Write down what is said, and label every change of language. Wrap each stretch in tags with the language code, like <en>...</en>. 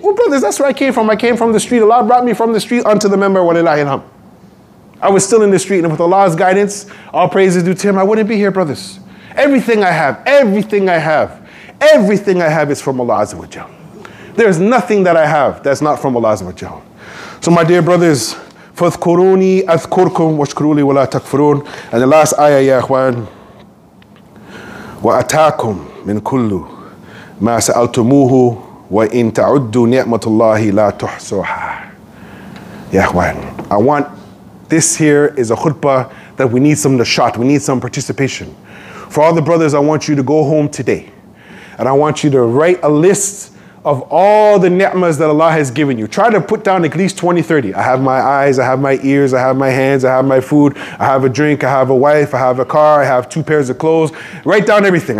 <en>Well, brothers, that's where I came from. I came from the street. Allah brought me from the street unto the member</en> <ar>wa lillahi alham.</ar> <en>I was still in the street, and with Allah's guidance, all praises due to Him, I wouldn't be here, brothers. Everything I have is from Allah Azza wa Jalla. There is nothing that I have that's not from Allah Azza wa Jalla. So my dear brothers,</en> <ar>فَاذْكُرُونِي أَذْكُرْكُمْ وَاشْكُرُونِي وَلَا تَكْفُرُونَ.</ar> <en>And the last ayah,</en> <ar>ya akhwan, وَأَتَاكُمْ مِنْ كُلُّ مَا سَأَلْتُمُوهُ وَإِنْ تَعُدُّوا نِعْمَةُ اللَّهِ لَا تُحْصُوهَا.</ar> <en>Ya akhwan, I want, this here is a khutbah that we need some nashat, we need some participation. For all the brothers, I want you to go home today. And I want you to write a list of all the ni'mas that Allah has given you. Try to put down at least 20, 30. I have my eyes, I have my ears, I have my hands, I have my food, I have a drink, I have a wife, I have a car, I have two pairs of clothes. Write down everything.</en>